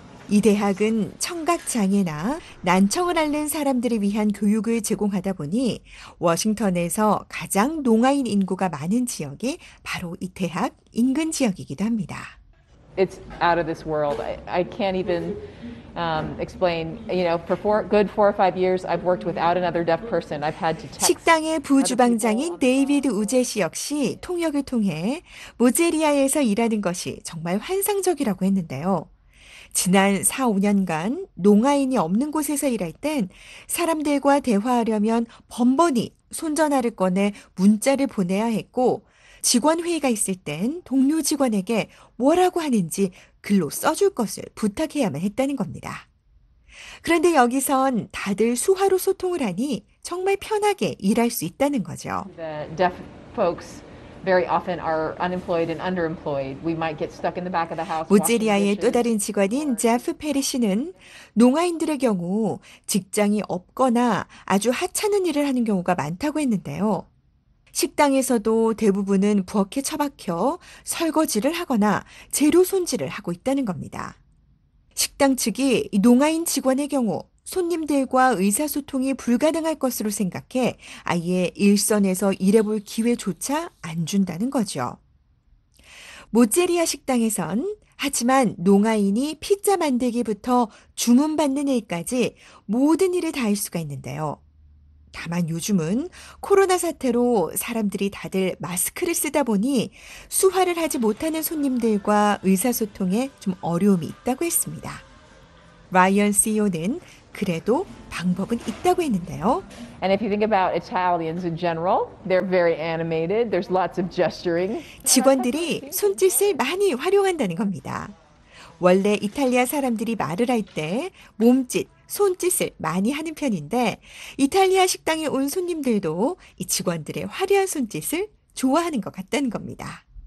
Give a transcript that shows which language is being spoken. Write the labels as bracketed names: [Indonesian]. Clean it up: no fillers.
[Korean] 이 대학은 청각장애나 난청을 앓는 사람들을 위한 교육을 제공하다 보니 워싱턴에서 가장 농아인 인구가 많은 지역이 바로 이 대학 인근 지역이기도 합니다. [English] It's out of this world. I can't even explain. You know, for good 4 or 5 years, I've worked without another deaf person. I've had to text. [Korean] 식당의 부주방장인 데이비드 우제 씨 역시 통역을 통해 모제리아에서 일하는 것이 정말 환상적이라고 했는데요. 지난 4, 5년간 농아인이 없는 곳에서 일할 땐 사람들과 대화하려면 번번이 손전화를 꺼내 문자를 보내야 했고 직원 회의가 있을 땐 동료 직원에게 뭐라고 하는지 글로 써줄 것을 부탁해야만 했다는 겁니다. 그런데 여기선 다들 수화로 소통을 하니 정말 편하게 일할 수 있다는 거죠. [English] The deaf folks very often are unemployed and underemployed. We might get stuck in the back of the house. [Korean] 모제리아의 또 다른 직원인 제프 페리시는 농아인들의 경우 직장이 없거나 아주 하찮은 일을 하는 경우가 많다고 했는데요. 식당에서도 대부분은 부엌에 처박혀 설거지를 하거나 재료 손질을 하고 있다는 겁니다. 식당 측이 농아인 직원의 경우 손님들과 의사소통이 불가능할 것으로 생각해 아예 일선에서 일해볼 기회조차 안 준다는 거죠. 모제리아 식당에선 하지만 농아인이 피자 만들기부터 주문받는 일까지 모든 일을 다 할 수가 있는데요. 다만 요즘은 코로나 사태로 사람들이 다들 마스크를 쓰다 보니 수화를 하지 못하는 손님들과 의사소통에 좀 어려움이 있다고 했습니다. 라이언 CEO는 그래도 방법은 있다고 했는데요. [English] And if you think about Italians in general, they're very animated. There's lots of gesturing. [Korean] 직원들이 손짓을 많이 활용한다는 겁니다. 원래 이탈리아 사람들이 말을 할 때 몸짓, 손짓을 많이 하는 편인데 이탈리아 식당에 온 손님들도 이 직원들의 화려한 손짓을 좋아하는 것 같다는 겁니다.